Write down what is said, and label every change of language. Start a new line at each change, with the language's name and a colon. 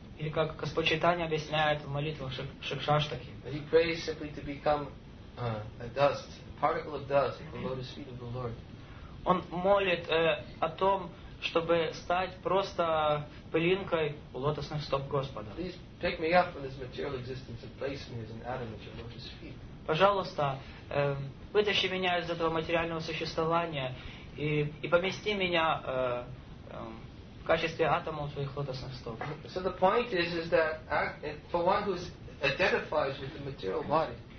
Russian: Или как Господь Чайтанья объясняет в молитвах Шикшаштаки.
English: He prays simply to become a dust, a particle of dust at the lotus feet of the Lord.
Russian: Он молит о том, чтобы стать просто пылинкой у лотосных стоп Господа.
English: Please pick me up from this material existence and place me as an atom at your lotus feet.
Russian: Пожалуйста, вытащи меня из этого материального существования и помести меня в качестве атома у твоих лотосных стоп.
English: So the point is that for one who identifies with the material body.